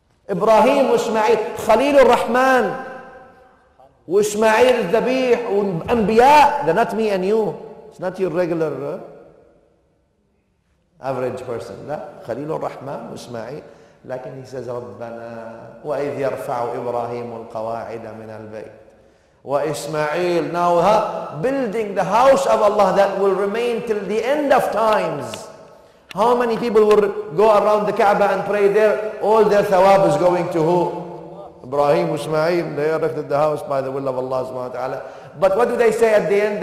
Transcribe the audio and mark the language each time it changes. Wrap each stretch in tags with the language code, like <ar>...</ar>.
<en>Ibrahim, Ismail, Khalilur Rahman, Ismail al-Dhabih, Anbiya, they're not me and you. It's not your regular average person. No, Khalilur Rahman, Ismail.</en> <ar>لكن</ar> <en>he says</en> <ar>ربنا وإذ يرفع إبراهيم القواعد من البيت وإسماعيل.</ar> <en>Now building the house of Allah that will remain till the end of times. How many people will go around the Kaaba and pray there? All their thawab is going to who?</en> <ar>إبراهيم وإسماعيل.</ar> <en>They erected the house by the will of Allah سبحانه وتعالى. But what do they say at the end?</en>